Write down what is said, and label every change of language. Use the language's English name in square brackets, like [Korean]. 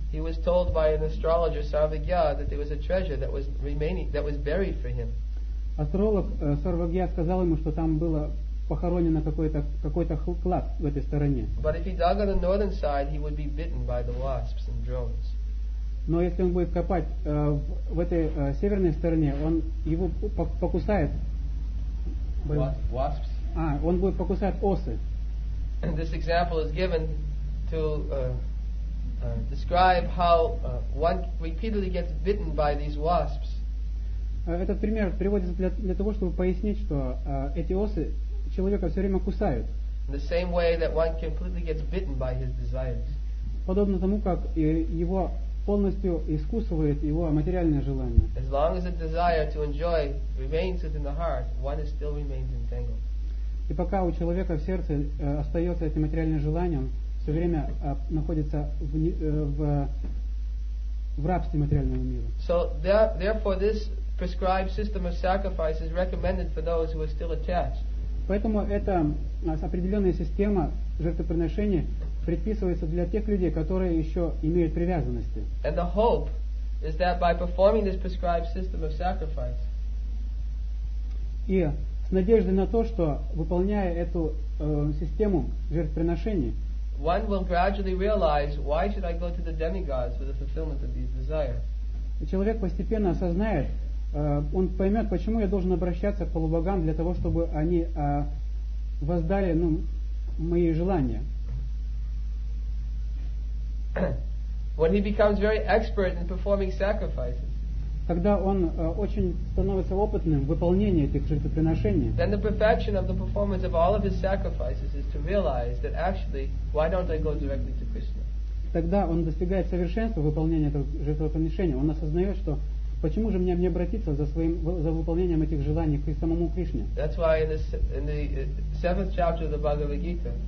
[English] He was told by an astrologer Sarvagya that there was a treasure that was remaining, that was buried for him. [Russian] Астролог Сарвагья сказал ему, что там было похоронено какой-то клад в этой стороне. [English] But if he dug on the northern side, he would be bitten by the wasps and drones. [Russian] Но если он будет копать в этой северной стороне, он его покусает. [English] Wasps. [Russian] Он будет покусать осы. [English] And this example is given to describe how one repeatedly gets bitten by these wasps. [Russian] Этот пример приводится для того, чтобы пояснить, что эти осы человека все время кусают. [English] In the same way that one completely gets bitten by his desires. [Russian] Подобно тому, как его полностью искусывает его материальное желание. [English] As long as the desire to enjoy remains within the heart, one still remains entangled. [Russian] И пока у человека в сердце остается это материальное желание, он все время находится в рабстве материального мира. [English] So therefore this prescribed system of sacrifice is recommended for those who are still attached. [Russian] Поэтому эта определенная система жертвоприношения предписывается для тех людей, которые еще имеют привязанности. [English] And the hope is that by performing this prescribed system of sacrifice, [Russian] и с надеждой на то, что выполняя эту систему жертвоприношений, [English] one will gradually realize why should I go to the demigods for the fulfillment of these desires. [Russian] Человек постепенно осознает, он поймет, почему я должен обращаться к полубогам для того, чтобы они воздали мои желания. [English] When he becomes very expert in performing sacrifices, [Russian] когда он очень становится опытным в выполнении этих жертвоприношений, [English] then the perfection of the performance of all of his sacrifices is to realize that actually, why don't I go directly to Krishna? [Russian] Тогда он достигает совершенства выполнения этого жертвоприношения. Он осознает, что почему же мне не обратиться за выполнением этих желаний к самому Кришне? [English] That's why in the seventh chapter of the Bhagavad Gita.